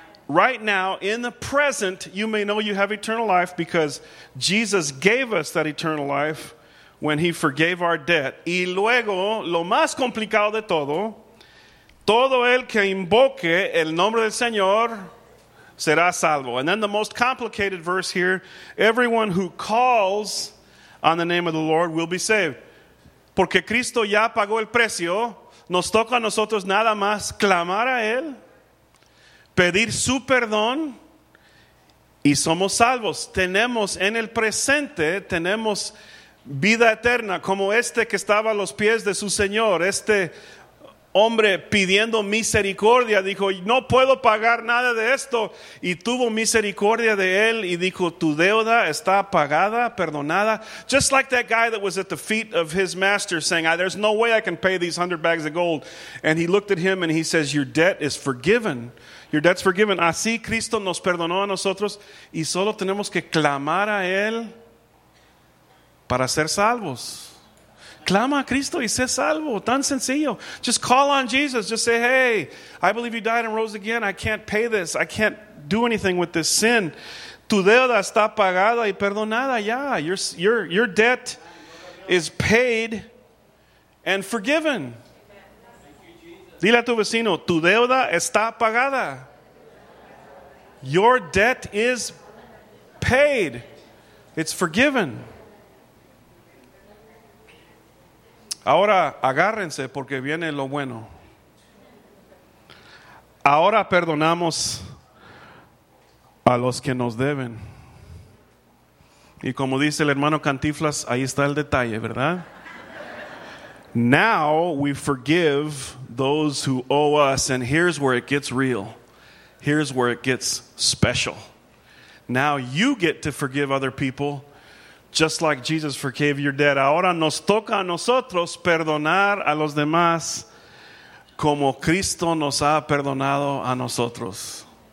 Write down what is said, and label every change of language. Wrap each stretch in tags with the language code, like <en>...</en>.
<en>Right now, in the present, you may know you have eternal life because Jesus gave us that eternal life when He forgave our debt.</en> <es>Y luego, lo más complicado de todo, todo el que invoque el nombre del Señor será salvo. And then the most complicated verse here, everyone who calls on the name of the Lord will be saved. Porque Cristo ya pagó el precio, nos toca a nosotros nada más clamar a Él, pedir su perdón, y somos salvos. Tenemos en el presente, tenemos vida eterna, como este que estaba a los pies de su Señor. Este hombre pidiendo misericordia dijo, no puedo pagar nada de esto. Y tuvo misericordia de él y dijo, tu deuda está pagada, perdonada.</es> <en>Just like that guy that was at the feet of his master saying, there's no way I can pay these 100 bags of gold. And he looked at him and he says, your debt is forgiven. Your debt's forgiven.</en> <es>Así Cristo nos perdonó a nosotros y solo tenemos que clamar a Él para ser salvos. Clama a Cristo y sé salvo. Tan sencillo.</es> <en>Just call on Jesus. Just say, hey, I believe you died and rose again. I can't pay this. I can't do anything with this sin.</en> <es>Tu deuda está pagada y perdonada ya.</es> <en>Your debt is paid and forgiven.</en> <es>Dile a tu vecino, tu deuda está pagada.</es> <en>Your debt is paid. It's forgiven.</en> <es>Ahora agárrense porque viene lo bueno. Ahora perdonamos a los que nos deben. Y como dice el hermano Cantiflas, ahí está el detalle, ¿verdad?</es> <en>Now we forgive those who owe us, and here's where it gets real. Here's where it gets special. Now you get to forgive other people just like Jesus forgave your debt.</en> <es>Ahora nos toca a nosotros perdonar a los demás como Cristo nos ha perdonado a nosotros.</es>